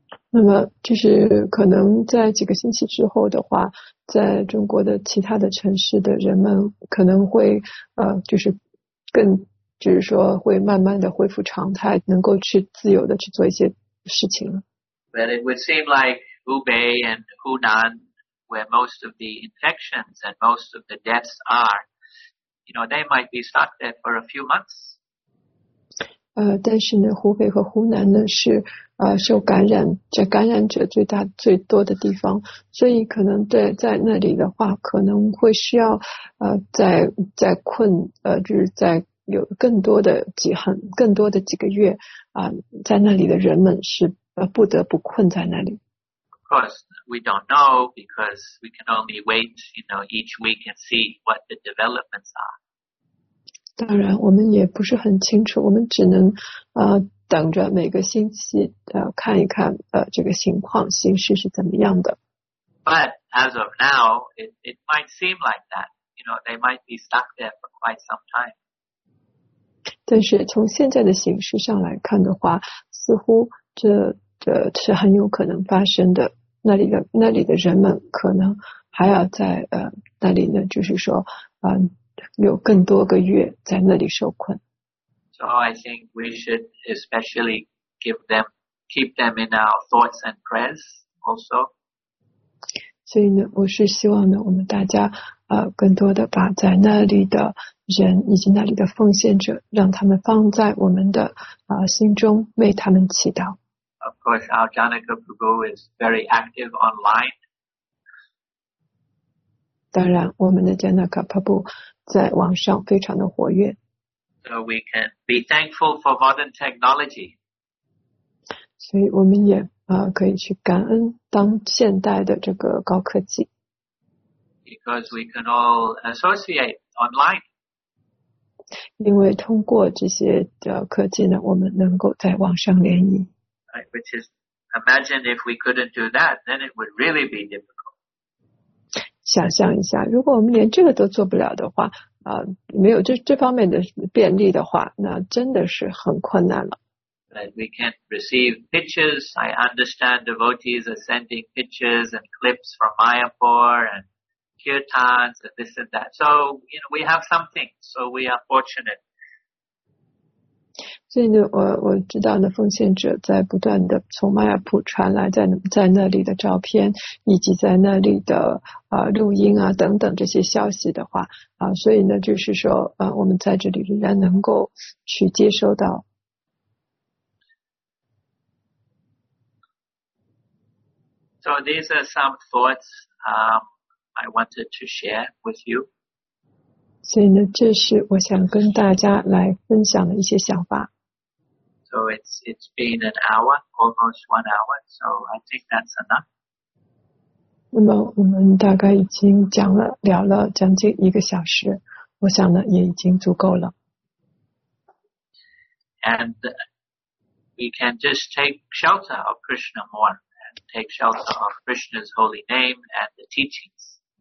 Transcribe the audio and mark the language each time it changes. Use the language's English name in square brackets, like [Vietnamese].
[Chinese] 那么就是可能在几个星期之后的话，在中国的其他的城市的人们可能会就是更就是说会慢慢的恢复常态，能够去自由的去做一些事情了。 [English] But it would seem like Hubei and Hunan, where most of the infections and most of the deaths are, you know, they might be stuck there for a few months. [Chinese] 但是呢，湖北和湖南呢是受感染这感染者最大最多的地方，所以可能在那里的话，可能会需要再困就是在有更多的几个月在那里的人们是不得不困在那里。 [English] Of course, we don't know because we can only wait, you know, each week and see what the developments are. [Chinese] 当然我们也不是很清楚，我们只能等着每个星期看一看这个情况形势是怎么样的。 [English] But as of now, it might seem like that. You know, they might be stuck there for quite some time. [Chinese] 但是从现在的形势上来看的话，似乎这是很有可能发生的。那里的人们可能还要在那里呢，就是说有更多个月在那里受困。 [English] So I think we should especially keep them in our thoughts and prayers also. [Chinese] 所以呢，我是希望呢，我们大家更多的把在那里的人以及那里的奉献者，让他们放在我们的心中，为他们祈祷。 [English] Of course, our Janaka Prabhu is very active online. [Chinese] 当然，我们的 Janaka Prabhu在网上非常的活跃。 [English] So we can be thankful for modern technology. [Chinese] 所以我们也可以去感恩当现代的这个高科技。 [English] Because we can all associate online. [Chinese] 因为通过这些的科技呢，我们能够在网上联谊。 [English] Right, which is, imagine if we couldn't do that, then it would really be difficult. [Chinese] 想象一下，如果我们连这个都做不了的话，没有这方面的便利的话，那真的是很困难了。 [English] But we can receive pictures. I understand devotees are sending pictures and clips from Mayapur and Kirtans and this and that. So, you know, we have something. So we are fortunate. [Chinese] 所以呢，我知道呢，奉献者在不断的从麦亚普传来在那里的照片，以及在那里的录音啊等等这些消息的话所以呢，就是说我们在这里仍然能够去接收到。 [English] So these are some thoughts I wanted to share with you. [Chinese] 所以呢，这是我想跟大家来分享的一些想法。 [English] So it's been an hour, almost 1 hour, so I think that's enough. [Chinese] 那么我们大概已经讲了聊了将近一个小时，我想呢也已经足够了。 [English] And we can just take shelter of Krishna more, and take shelter of Krishna's holy name and the teachings.